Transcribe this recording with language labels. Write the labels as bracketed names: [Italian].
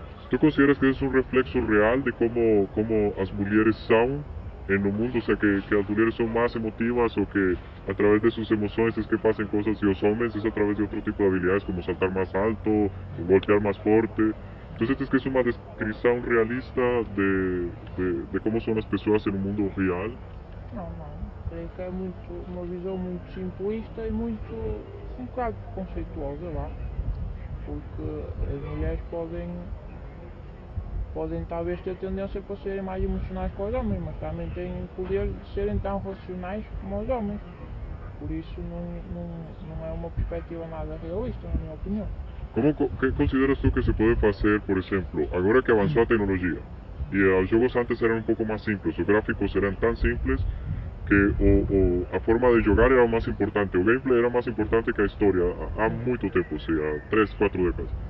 [Spanish] ¿Tú consideras que es un reflejo real de cómo las mujeres son en el mundo? O sea, que las mujeres son más emotivas o que a través de sus emociones es que pasan cosas y los hombres es a través de otro tipo de habilidades como saltar más alto o golpear más fuerte. ¿Tú sientes que es una descripción realista de cómo son las personas en el mundo real? [Portuguese] Não, não. Creio que é muito, uma visão muito simplista e muito um bocado preconceituosa lá. Porque as mulheres podem talvez ter tendência para serem mais emocionais que os homens, mas também têm o poder de serem tão racionais como os homens. Por isso não é uma perspectiva nada realista, na minha opinião. [Spanish] ¿Qué consideras tú que se puede hacer, por ejemplo, ahora que avanzó la tecnología y los juegos antes eran un poco más simples, los gráficos eran tan simples que la forma de jugar era más importante, el gameplay era más importante que la historia, a mucho tiempo, sí, a 3, 4 décadas?